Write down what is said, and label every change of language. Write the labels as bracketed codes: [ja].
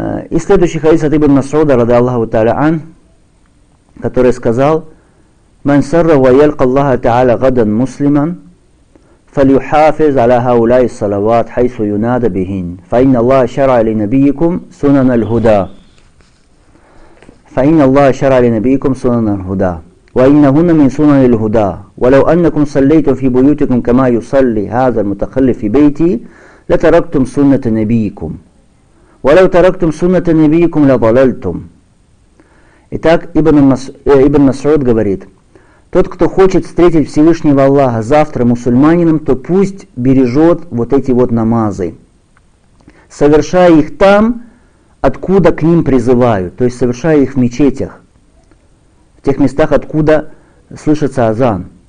[ru] И следующий хадис от Ибн Масуда, рада Аллаху Та'аля ан, который сказал: [ar] «Ман сарра ва ялка Аллаха Та'аля гадан муслиман, фалюхафиз аля хаулай салават хайсу юнада бихин, фаинна Аллаха шара ли набийкум сунан аль-гуда». فإن الله شرع لنبيكم سنن الهدى وإنهن من سنن الهدى ولو أنكم صليتم في بيوتكم كما يصلي هذا المتخلف في بيتي لتركتم سنة نبيكم ولو تركتم سنة نبيكم لضللتم. [ru] Итак, Ибн Масуд говорит: тот, кто хочет встретить Всевышнего Аллаха завтра мусульманином, то пусть бережет вот эти вот намазы, совершая их там, откуда к ним призывают, то есть совершая их в мечетях, в тех местах, откуда слышится азан.